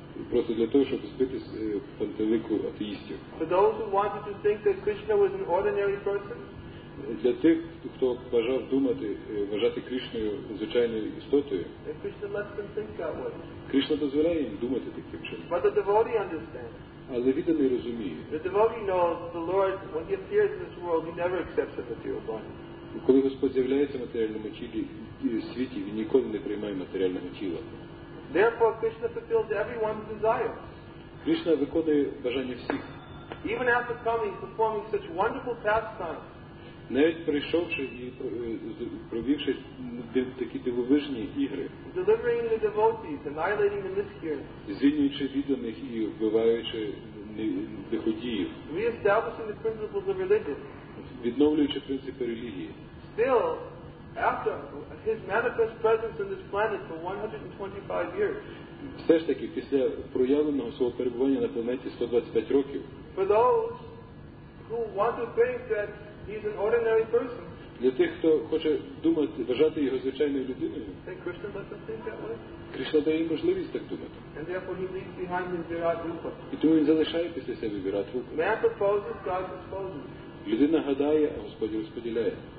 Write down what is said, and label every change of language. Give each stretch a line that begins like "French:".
Ukrainian: Просто для того, щоб збити з пантелику атеїстів.
English: For those who wanted to think that Krishna was an ordinary person,
Ukrainian: для тих, хто бажав думати, вважати Кришною звичайною істотою,
English: and Krishna lets them think that way.
Ukrainian: Кришна дозволяє їм думати таким чином.
English: But the devotee understands.
Ukrainian: Але відданий розуміє.
English: The devotee knows the Lord, when he appears in this world, he never accepts a material body.
Ukrainian: Коли Господь з'являється в матеріальному тілі і світі, він ніколи не приймає матеріального тіла.
English: Therefore Krishna fulfills everyone's desire.
Ukrainian: Кришна виконує бажання всіх.
English: Even after coming, performing such wonderful pastimes.
Ukrainian: Навіть прийшовши і провівши такі дивовижні ігри.
English: Delivering the devotees, annihilating the miscreants.
Ukrainian: Звільнюючи відданих і вбиваючи лиходіїв.
English: Reestablishing the principles of religion.
Ukrainian: Відновлюючи принципи релігії.
English: Still, after his manifest presence on this planet for 125 years.
Ukrainian: Все ж таки, після проявленого свого перебування на планеті 125 років.
English: For those who want to think that he's an ordinary person.
Ukrainian: Для тих, хто хоче думати, вважати його звичайною людиною.
English: Krishna lets them think that way.
Ukrainian: Кришна дає їм можливість так думати.
English: And therefore he leaves behind his Virat-rupa.
Ukrainian: І тому він залишає після себе Virat-rupa.
English: Man proposes, God disposes.
Ukrainian: Людина гадає, а Господь розподіляє.